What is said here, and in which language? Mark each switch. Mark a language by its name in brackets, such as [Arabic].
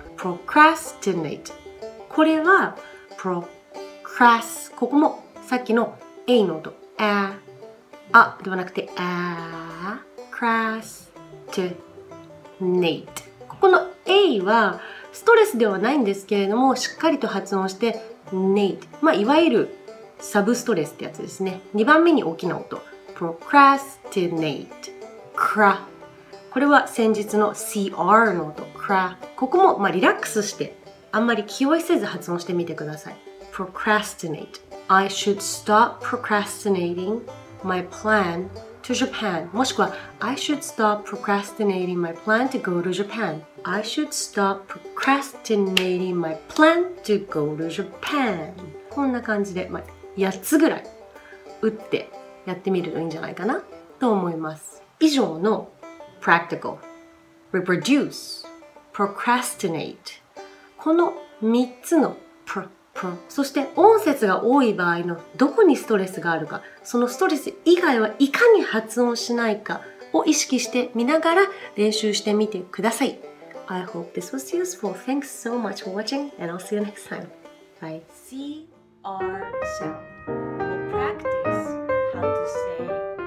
[Japanese] Procrastinate これは Procrast ここもさっきの A の音 Aあではなくて a クラス t o n a t e ここの A はストレスではないんですけれども、しっかりと発音して Nate、まあ、いわゆるサブストレスってやつですね。2番目に大きな音 Procrastinate クラこれは先日の CR の音、cra。ここもまあリラックスして、あんまり気負いせず発音してみてください。 [English] Procrastinate. I should stop procrastinating my plan to Japan. [Japanese] もしくは、 [English] I should stop procrastinating my plan to go to Japan. I should stop procrastinating my plan to go to Japan. [Japanese] こんな感じで、まあ、8つぐらい打ってやってみるといいんじゃないかなと思います。以上の Practical, [English] Reproduce, Procrastinate. [Japanese] この3つのそして音節が多い場合のどこにストレスがあるか、そのストレス以外はいかに発音しないかを意識してみながら練習してみてください。 [English] I hope this was useful. Thanks so much for watching and I'll see you next time. Bye. CR sound. We'll practice how to say